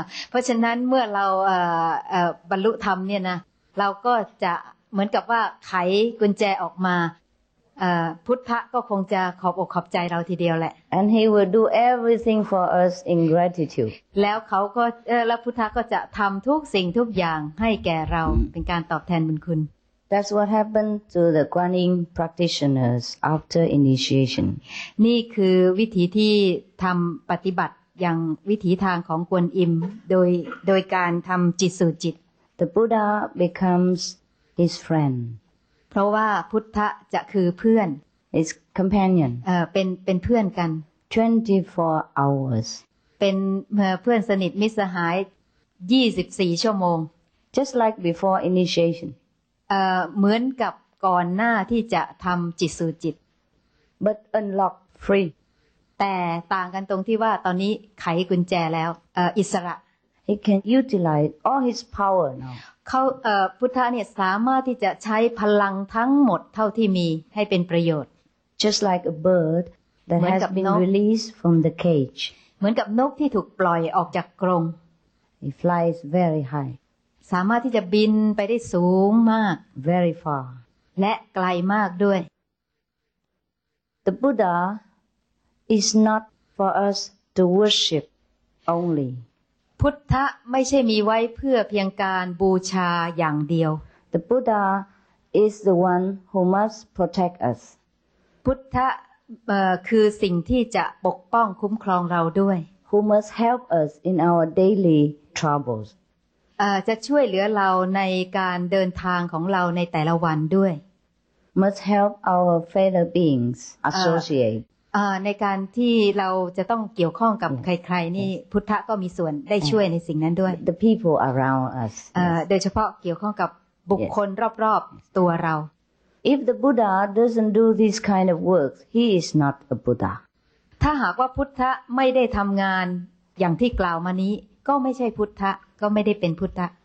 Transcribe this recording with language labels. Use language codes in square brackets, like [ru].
[th] เพราะฉะนั้นเมื่อเราบรรลุธรรมเนี่ยนะเราก็จะเหมือนกับว่าไขกุญแจออกมาพุทธะก็คงจะขอบอกขอบใจเราทีเดียวแหละ [en] And he will do everything for us in gratitude. [th] แล้วเขาก็แล้วพุทธะก็จะทำทุกสิ่งทุกอย่างให้แก่เราเป็นการตอบแทนบุญคุณ [en] That's what happened to the Guan Yin practitioners after initiation. [th] นี่คือวิธีที่ทำปฏิบัติอย่างวิถีทางของกวนอิมโดยการทำจิตสู่จิต [en] The Buddha becomes his friend. [th] เพราะว่าพุทธะจะคือเพื่อน [en] His companion. [th] เป็นเพื่อนกัน [en] 24 hours. [th] เป็นเพื่อนสนิทมิตรสหาย 24 ชั่วโมง [en] Just like before initiation. [th] เหมือนกับก่อนหน้าที่จะทำจิตสู่จิต [en] but unlock free [th] แต่ต่างกันตรงที่ว่าตอนนี้ไขกุญแจแล้วอิสระ [en] he can utilize all his power now [th] เขาพุทธะเนี่ยสามารถที่จะใช้พลังทั้งหมดเท่าที่มีให้เป็นประโยชน์ [en] just like a bird that has been released from the cage [th] เหมือนกับนกที่ถูกปล่อยออกจากกรง [en] he flies very high [th] สามารถที่จะบินไปได้สูงมาก [en] very far [th] และไกลมากด้วย [en] The Buddha is not for us to worship only [th] พุทธะไม่ใช่มีไว้เพื่อเพียงการบูชาอย่างเดียว [en] The Buddha is the one who must protect us [th] พุทธะคือสิ่งที่จะปกป้องคุ้มครองเราด้วย [en] who must help us in our daily troubles [th] จะช่วยเหลือเราในการเดินทางของเราในแต่ละวันด้วย [en] must help our fellow beings associate [th] ในการที่เราจะต้องเกี่ยวข้องกับ [en] yes. [th] ใครๆนี่ yes. พุทธะก็มีส่วนได้ช่วยในสิ่งนั้นด้วย [en] the people around us [th] โดยเฉพาะเกี่ยวข้องกับบุคคล [en] yes. [th] รอบๆตัวเรา [en] If the Buddha doesn't do these kind of works, he is not a Buddha. [th] ถ้าหากว่าพุทธะไม่ได้ทำงานอย่างที่กล่าวมานี้ก็ไม่ใช่พุทธะก็ไม่ได้เป็นพุทธะ